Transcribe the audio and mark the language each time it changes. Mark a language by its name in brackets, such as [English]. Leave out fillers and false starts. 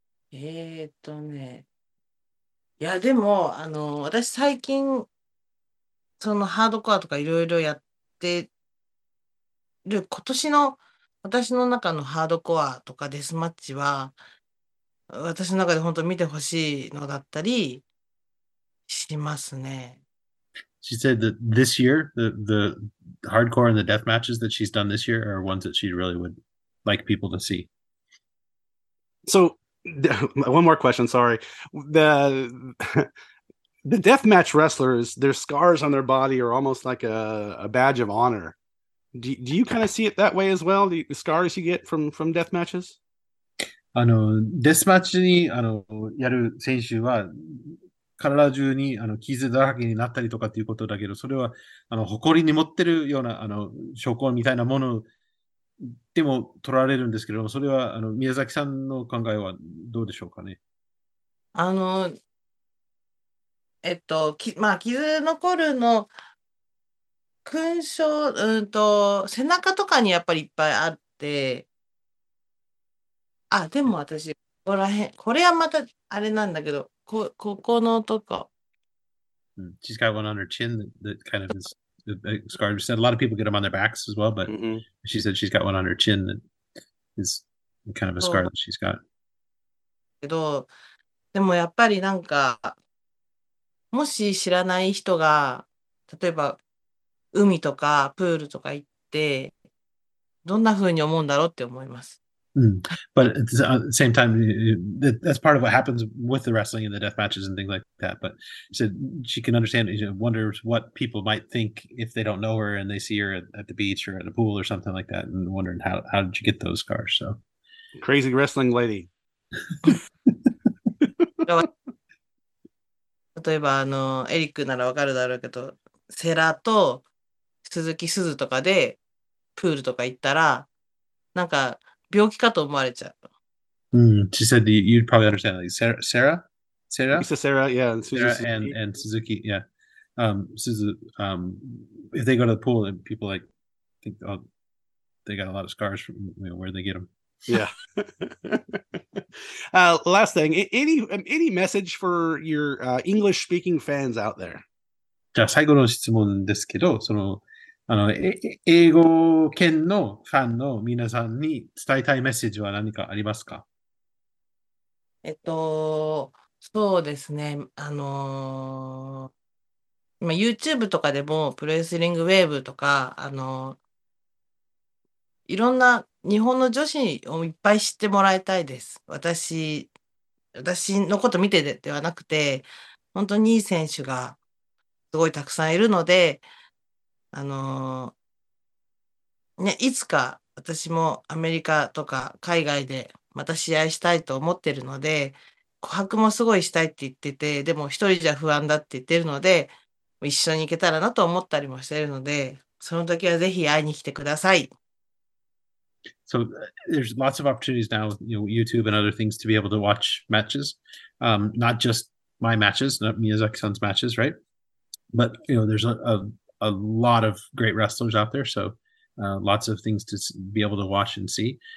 [Japanese] いやでも私最近そのハードコアとかいろいろやってる今年の私の中のハードコアとかデスマッチは私の中で本当見てほしいのだったりしますね。 [English] She said that this year the hardcore and the death matches that she's done this year are ones that she really would like people to see. So, one more question, sorry. The, The deathmatch wrestlers, their scars on their body are almost like a badge of honor. Do you kind of see it that way as well? The scars you get from death matches? [Japanese] あの、デスマッチに、あの、やる選手は、体中に、あの、傷だらけになったりとかっていうことだけど、それは、あの、誇りに持ってるような、あの、証拠みたいなものでも取られるんですけども、それは、あの、宮崎さんの考えはどうでしょうかね。あの、まあ、傷残るの、勲章、背中とかにやっぱりいっぱいあって、あ、でも私、ここら辺、これはまたあれなんだけど、ここのとこ。 [English] She's got one on her chin that kind of is a scar. She said a lot of people get them on their backs as well, but she said she's got one on her chin that is kind of a scar that she's got. [Japanese] けど、でもやっぱりなんか、もし知らない人が、例えば海とかプールとか行って、どんな風に思うんだろうって思います。 Mm. [English] But at the same time, that's part of what happens with the wrestling and the death matches and things like that. But she said she can understand, she wonders what people might think if they don't know her and they see her at the beach or at a pool or something like that and wondering how did you get those scars? So, crazy wrestling lady. [Japanese] 例えばあのエリックならわかるだろうけど、セラと鈴木すずとかでプールとか行ったらなんか病気かと思われちゃう。 [English] Mm, she said you'd probably understand like Sarah? It's a Sarah, yeah. And Suzuki, yeah. Suzuki, if they go to the pool, and people like think, oh, they got a lot of scars from, you know, where they get them. Yeah. last thing, any message for your English speaking fans out there? [Japanese] じゃあ最後の質問ですけど、その。あの英語圏のファンの皆さんに伝えたいメッセージは何かありますか？そうですね、今 YouTube とかでもプレスリングウェーブとか、いろんな日本の女子をいっぱい知ってもらいたいです。私のこと見てではなくて、本当にいい選手がすごいたくさんいるので、ね、いつか私もアメリカとか海外でまた試合したいと思ってるので、琥珀もすごいしたいって言ってて、でも一人じゃ不安だって言ってるので、一緒に行けたらなと思ったりもしてるので、その時はぜひ会いに来てください。 [English] So there's lots of opportunities now with, you know, YouTube and other things to be able to watch matches. Not just my matches, not Miyazaki-san's matches, right? But, you know, there's a lot of great wrestlers out there. So lots of things to be able to watch and see.